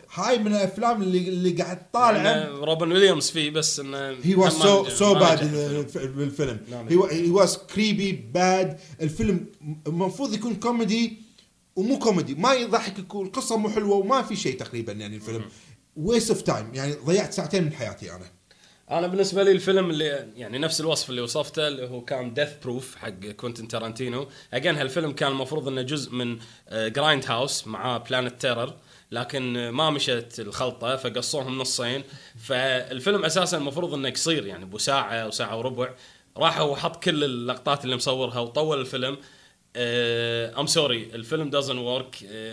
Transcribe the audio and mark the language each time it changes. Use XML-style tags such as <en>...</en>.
<ar>هاي من الأفلام اللي قاعد طالع روبن ويليامز فيه, بس إنه</ar> <en>he was so bad</en> <ar>بالفيلم,</ar> <en>he was creepy bad.</en> <ar>الفيلم مفروض يكون كوميدي ومو كوميدي, ما يضحك, القصة مو حلوة وما في شيء تقريبا يعني, الفيلم</ar> <en>waste of time</en> <ar>يعني, ضيعت ساعتين من حياتي. أنا بالنسبة لي الفيلم اللي يعني نفس الوصف اللي وصفته اللي هو كان Death Proof حق كوينتين تارانتينو, أجين هالفيلم كان المفروض إنه جزء من Grind House مع Planet Terror, لكن ما مشت الخلطة فقصوهم نصين, فالفيلم أساسا المفروض إنه قصير يعني بساعة أو ساعة وربع, راحوا وحط كل اللقطات اللي مصورها وطول الفيلم.</ar> <en>I'm sorry,</en> <ar>الفيلم</ar> <en>doesn't work.</en>